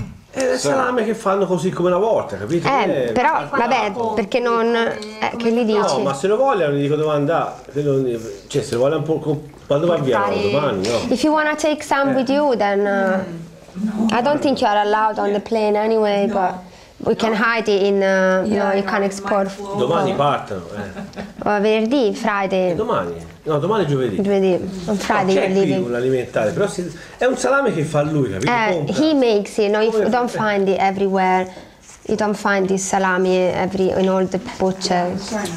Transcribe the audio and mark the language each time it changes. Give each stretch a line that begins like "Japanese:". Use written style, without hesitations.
Italian: È salame che fanno così come una volta, capito? Però vabbè, perché non che gli dici? No, ma se lo vogliono gli dico dove andare. Cioè, se lo vuole un po' quando va via domani, no?
English: If you wanna take some with you then I don't think you are allowed on the plane anyway, no. But we can hide it in you know, you can export.
Italian: Domani partono, venerdì, Friday. Domani è giovedì.
English: Giovedì, on Friday you're leaving.
Italian: Un alimentare, però è un salame che fa lui, capito?
English: He makes it, no, if you don't find it everywhere. You don't find this salami every in all the butchers.